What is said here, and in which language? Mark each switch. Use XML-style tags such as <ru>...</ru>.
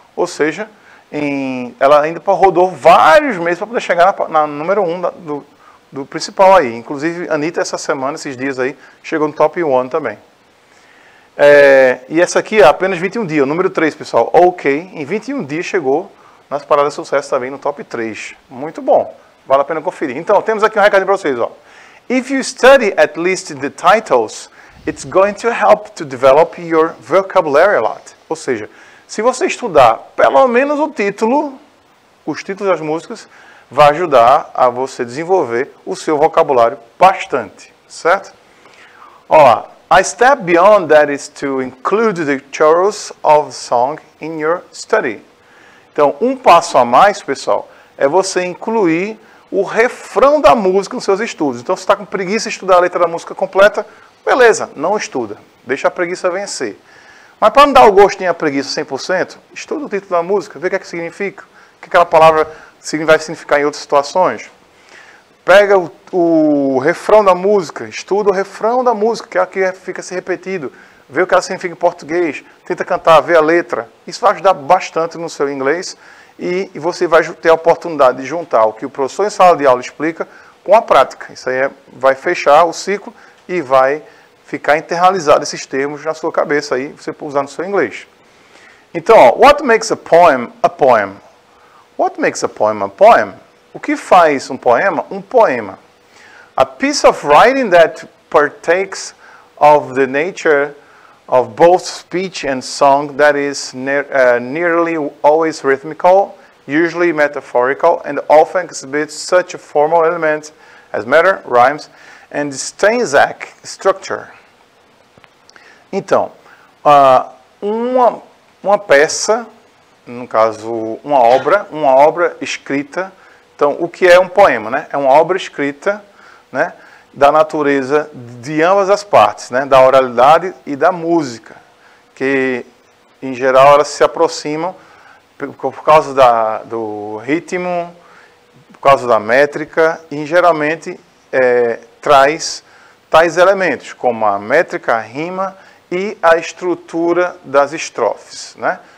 <pt>Ou seja, em, ela ainda rodou vários meses para poder chegar na número 1 do principal aí. Inclusive, Anitta, essa semana, esses dias aí, chegou no top 1 também. É, e essa aqui, ó, apenas 21 dias, número 3, pessoal. Ok, em 21 dias chegou nas Paradas de Sucesso também, no top 3. Muito bom, vale a pena conferir. Então, temos aqui um recadinho para vocês, ó.</pt> <en>If you study at least the titles, it's going to help to develop your vocabulary a lot.</en> <pt>Ou seja, se você estudar pelo menos o título, os títulos das músicas, vai ajudar a você desenvolver o seu vocabulário bastante, certo?</pt> <en>Ó, a step beyond that is to include the chorus of the song in your study.</en> <pt>Então, um passo a mais, pessoal, é você incluir o refrão da música nos seus estudos. Então, se está com preguiça de estudar a letra da música completa, beleza, não estuda. Deixa a preguiça vencer. Mas para não dar o gosto em a preguiça 100%, estuda o título da música, vê o que é que significa, o que aquela palavra vai significar em outras situações. Pega o refrão da música, estuda o refrão da música, que é a que fica se repetido, vê o que ela significa em português, tenta cantar, vê a letra. Isso vai ajudar bastante no seu inglês. E você vai ter a oportunidade de juntar o que o professor em sala de aula explica com a prática. Isso aí é, vai fechar o ciclo e vai ficar internalizado esses termos na sua cabeça aí, você pode usar no seu inglês. Então, ó,</pt> <en>what makes a poem a poem? What makes a poem a poem?</en> <pt>O que faz um poema</pt> <en>um poema? A piece of writing that partakes of the nature of both speech and song that is nearly always rhythmical, usually metaphorical, and often exhibits such a formal element as matter, rhymes, and stanzaic structure.</en> <pt>Então, uma peça, no caso, uma obra escrita. Então, o que é um poema, né? É uma obra escrita, né, da natureza de ambas as partes, né, da oralidade e da música, que, em geral, elas se aproximam por causa do ritmo, por causa da métrica, e, geralmente, traz tais elementos, como a métrica, a rima e a estrutura das estrofes, né?</pt>